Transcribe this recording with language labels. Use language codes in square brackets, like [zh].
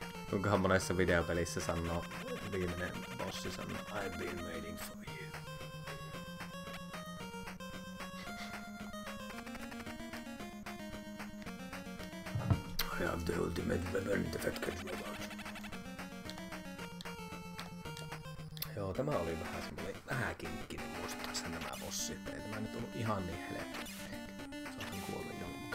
[fi] Kuinkahan monessa videopelissä sanoo viimeinen bossi sanoo [en] I've been waiting for you. I have the ultimate weapon, the fat cat robot. [fi] Joo, tämä oli vähän semmoinen vähäkin ikinä muistuttaa sen nämä bossi, että ei tämä nyt ollut ihan niin helppo. Saahan kuolla jo.